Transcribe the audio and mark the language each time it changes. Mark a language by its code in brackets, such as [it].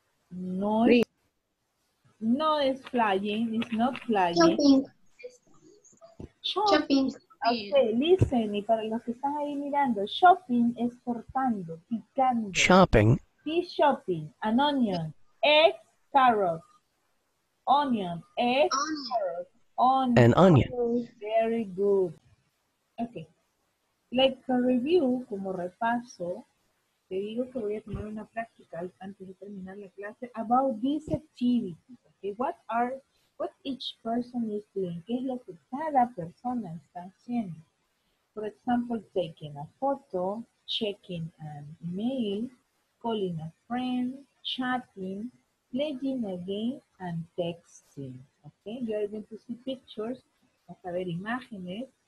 [es] No es, no es [en] flying, it's not flying. Chopping. Chopping. [es] Okay, [en] listen, [es] y para los que están ahí mirando, shopping es cortando, picando. [en] Shopping. Fish shopping, an onion, egg, carrot. Onion, egg, onion. Carrot. Onion. An onion. Very good. [es] Okay, [en] like a review, [es] como repaso, te digo que voy a tomar una práctica antes de terminar la clase [en] about this activity. Okay, what are, what each person is doing? [es] ¿Qué es lo que cada persona está haciendo? [en] For example, taking a photo, checking an email, calling a friend, chatting, playing a game, and texting. Okay, you are going to see pictures, [es] vas a ver imágenes.